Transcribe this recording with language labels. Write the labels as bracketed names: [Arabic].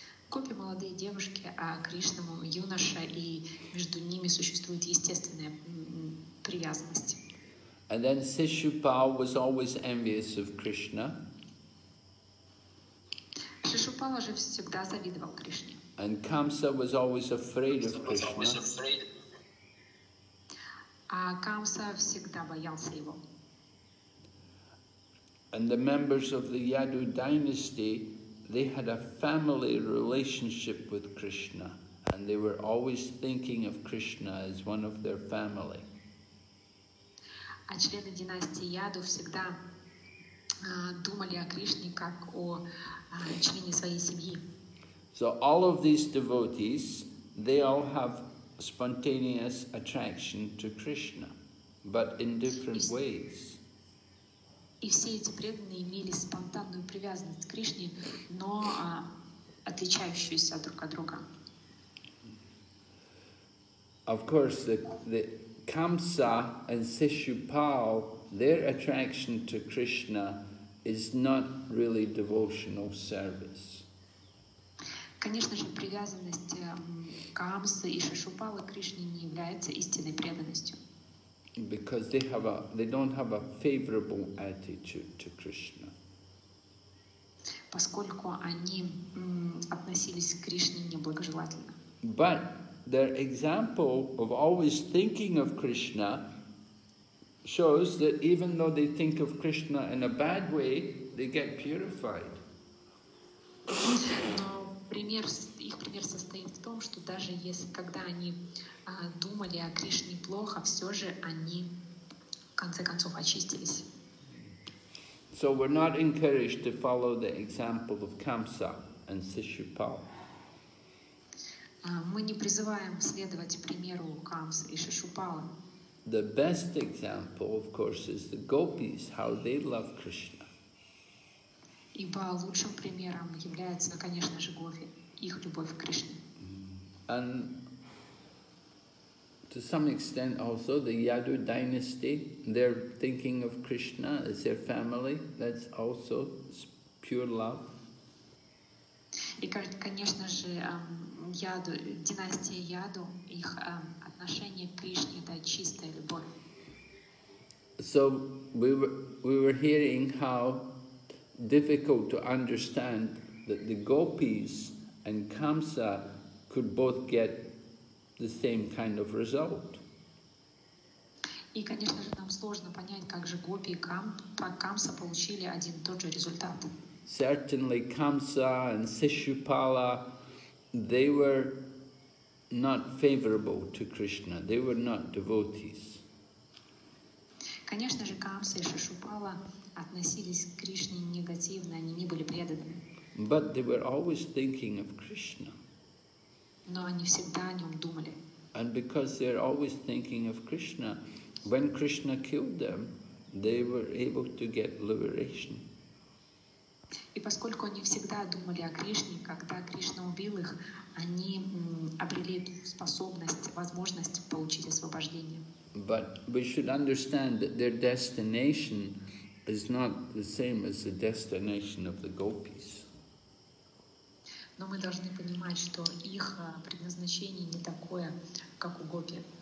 [Russian] Гопи — молодые девушки, а Кришна — юноша, и между ними существует естественная привязанность. [English] And then Sishupal was always envious of Krishna. [Russian] Шишупала же всегда завидовал Кришне. [English] And Kamsa was always afraid of Krishna. [Russian] А Камса всегда боялся его. [English] And the members of the Yadu dynasty, they had a family relationship with Krishna, and they were always thinking of Krishna as one of their family. [Russian] А члены династии Яду всегда думали о Кришне как о члене своей семьи. [English] So all of these devotees, they all have spontaneous attraction to Krishna, but in different ways. [Russian] И все эти преданные имели спонтанную привязанность к Кришне, но отличающуюся друг от друга. [English] Of course, the Kamsa and Sishupal, their attraction to Krishna is not really devotional service. [Russian] Конечно же, привязанность Камсы и Шишупалы к Кришне не является истинной преданностью. [English] Because they have a, they don't have a favorable attitude to Krishna. [Russian] Поскольку они относились к Кришне неблагожелательно. [English] But their example of always thinking of Krishna shows that even though they think of Krishna in a bad way, they get purified. [Russian] Но пример, их пример состоит в том, что даже если когда они думали о Кришне плохо, все же они в конце концов очистились. [English] So we're not encouraged to follow the example of Kamsa and Shishupal. [Russian] Мы не призываем следовать примеру Камс и Шишупала. [English] The best example, of course, is the gopis, how they love Krishna. [Russian] Ибо лучшим примером является, конечно же, гопи, их любовь к Кришне. [English] And to some extent also the Yadu dynasty, they're thinking of Krishna as their family, that's also pure love. [Russian] И, конечно же, Яду, династия Яду, их отношение к Кришне — это чистая любовь. [English] So we were hearing how difficult to understand that the gopis and Kamsa could both get the same kind of result. [Russian] И, конечно же, нам сложно понять, как же гопи и Камса получили один и тот же результат. [English] Certainly Kamsa and Shishupala, they were not favorable to Krishna. They were not devotees. [Russian] Конечно же, Камса и Шишупала относились к Кришне негативно, они не были преданными. [English] But they were always thinking of Krishna. [Russian] Но они всегда о нем думали. [English] And because they are always thinking of Krishna, when Krishna killed them, they were able to get liberation. [Russian] И поскольку они всегда думали о Кришне, когда Кришна убил их, они обрели способность, возможность получить освобождение. [English] But we should understand that their destination is not the same as the destination of the gopis. [Russian] Но мы должны понимать, что их предназначение не такое, как у гопи.